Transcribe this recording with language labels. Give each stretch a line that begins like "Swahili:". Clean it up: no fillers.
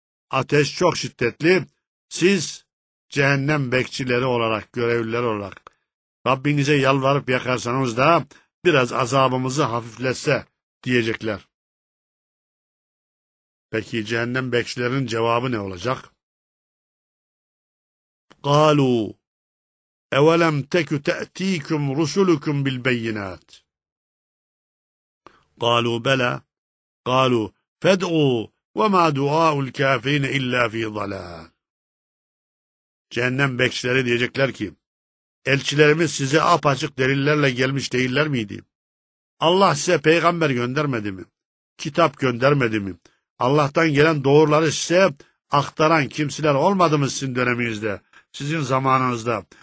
Turkish: Ateş çok şiddetli. Siz cehennem bekçileri olarak, görevlileri olarak Rabbinize yalvarıp yakarsanız da biraz azabımızı hafifletse diyecekler. Peki cehennem bekçilerinin cevabı ne olacak?
Arabic: قالوا اولم تكن تأتيكم رسلكم بالبينات. قالوا بلى. قالوا فادعوا وما دعاء الكافرين الا في ضلال.
Turkish: Cehennem bekçileri diyecekler ki, elçilerimiz size apaçık delillerle gelmiş değiller miydi? Allah size peygamber göndermedi mi? Kitap göndermedi mi? Allah'tan gelen doğruları size aktaran kimseler olmadı mı sizin döneminizde, sizin zamanınızda?